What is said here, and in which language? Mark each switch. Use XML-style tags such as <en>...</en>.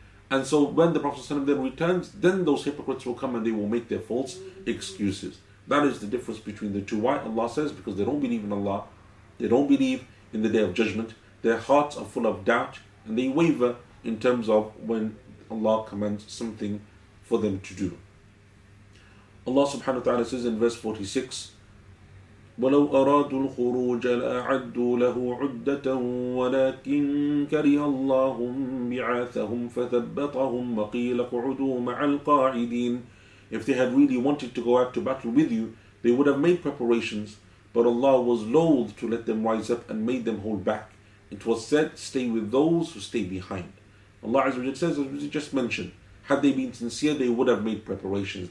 <en>And so when the Prophet ﷺ then returns, then those hypocrites will come and they will make their false excuses. That is the difference between the two. Why? Allah says, because they don't believe in Allah. They don't believe in the Day of Judgment. Their hearts are full of doubt and they waver in terms of when Allah commands something for them to do. Allah subhanahu wa ta'ala says in verse 46,</en> <ar>وَلَوْ أَرَادُوا الْخُرُوجَ لَأَعَدُّوا لَهُ عُدَّةً وَلَكِنْ كَرِهَ اللَّهُمْ بِعَاثَهُمْ فَثَبَّطَهُمْ وَقِيلَ قُعُدُوا مَعَ الْقَاعِدِينَ.</ar> <en>If they had really wanted to go out to battle with you, they would have made preparations. But Allah was loath to let them rise up and made them hold back. It was said, "Stay with those who stay behind." Allah Azza wa Jalla says, as we just mentioned, had they been sincere, they would have made preparations.</en>